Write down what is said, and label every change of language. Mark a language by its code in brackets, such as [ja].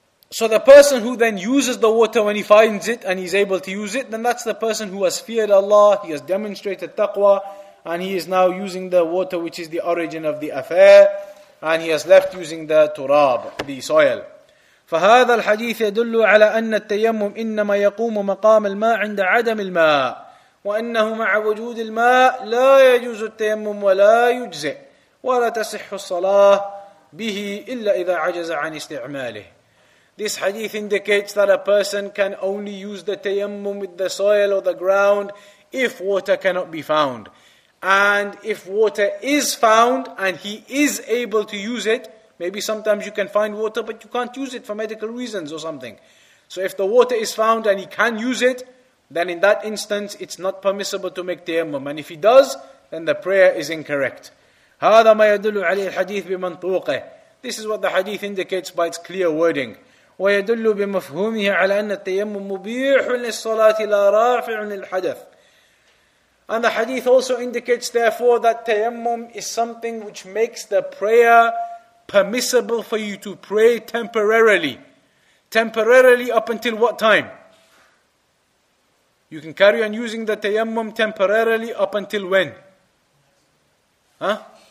[en] So the person who then uses the water when he finds it and he's able to use it, then that's the person who has feared Allah, he has demonstrated taqwa, and he is now using the water which is the origin of the affair, and he has left using the turab, the soil. [ar] فهذا الحديث يدل على أن التيمم إنما يقوم مقام الماء عند عدم الماء وأنه مع وجود الماء لا يجوز التيمم ولا يجزئ ولا تصح الصلاة به إلا إذا عجز عن استعماله [en] This hadith indicates that a person can only use the tayammum with the soil or the ground if water cannot be found. And if water is found and he is able to use it, maybe sometimes you can find water but you can't use it for medical reasons or something. So if the water is found and he can use it, then in that instance it's not permissible to make tayammum. And if he does, then the prayer is incorrect. [ar] هذا ما يدل عليه الحديث بمنطوقه. [en] This is what the hadith indicates by its clear wording. [ar] ويدل بمفهومه على أن التيمم مبيح للصلاة لا رافع للحدث. [en] And the hadith also indicates, therefore, that tayammum is something which makes the prayer permissible for you to pray temporarily. Temporarily up until what time? You can carry on using the tayammum temporarily up until when? Huh?